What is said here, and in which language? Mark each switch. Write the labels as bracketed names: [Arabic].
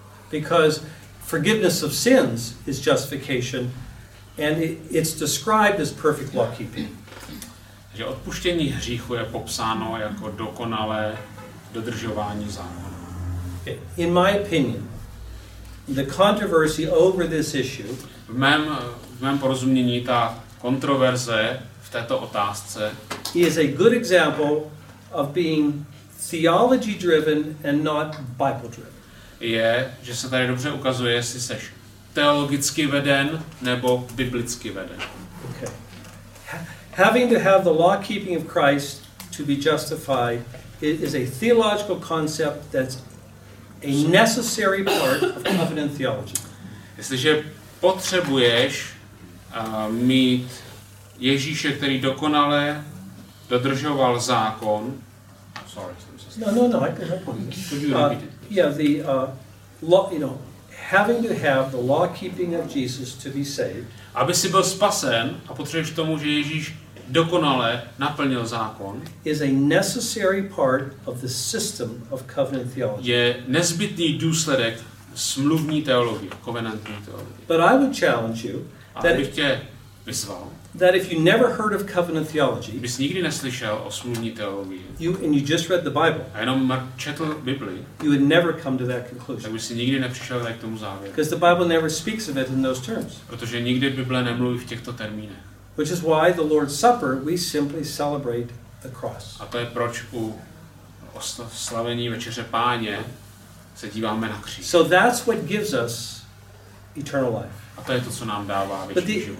[English] Because forgiveness of sins is justification, and it's described as perfect law keeping. [Czech] Že odpuštění hříchu je popsáno jako dokonalé dodržování zákona. [English] In my opinion, the controversy over this issue. [Czech] V mém porozumění ta kontroverze v této otázce. [English] Is a good example of being theology driven and not Bible driven. [Czech] Je, že se tady dobře ukazuje, jestli seš teologicky veden nebo biblicky veden. [English] Okay. Having to have the law keeping of Christ to be justified is a theological concept that's a necessary part of covenant theology. [Czech] Jestliže potřebuješ mít Ježíše, který dokonale dodržoval zákon, [English] sorry. No, I can help you. Could you repeat it? Yeah, the law, you know, having to have the law keeping of Jesus to be saved. [Czech] Aby si byl spasen a potřebuješ tomu, že Ježíš dokonale naplnil zákon, [English] is a necessary part of the system of covenant theology. [Czech] Je nezbytný důsledek smluvní teologie, covenantní teologie. [English] But I would challenge you that [Czech] bych tě vyzval, [English] that if you never heard of covenant theology, [Czech] bys nikdy neslyšel o smluvní teologii, [English] you just read the Bible, [Czech] a jenom četl Bibli, [English] you would never come to that conclusion. [Czech] Tak bys si nikdy nepřišel k tomu závěru. [English] Because the Bible never speaks of it in those terms. [Czech] Protože nikdy Bible nemluví v těchto termínech. [English] Which is why the Lord's Supper we simply celebrate the cross. [Czech] A to je proč u slavení večeře Páně se díváme na kříž. [English] So that's what gives us eternal life. [Czech] A to je to, co nám dává věčný život.